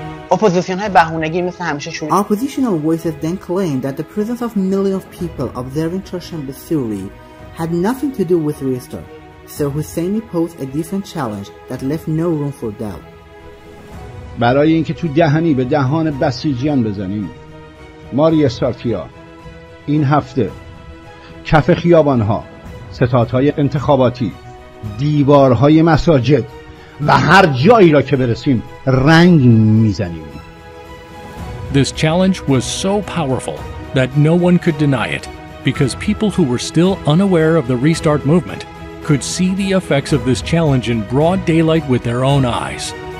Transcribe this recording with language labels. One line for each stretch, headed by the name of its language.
English: Oppositional voices then claimed that the presence of millions of people observing Chorshanbe Suri had nothing to do with restart, so Hosseini posed a different challenge that left no room for doubt.
Persian: برای اینکه تو دهنی به دهان بسیجیان بزنیم، ما ریستارتیا این هفته کف خیابان‌ها، ستادهای انتخاباتی، دیوارهای مساجد و هر جایی را که برسیم رنگ می‌زنیم.
English: This challenge was so powerful that no one could deny it, because people who were still unaware of the restart movement could see the effects of this challenge in broad daylight with their own eyes.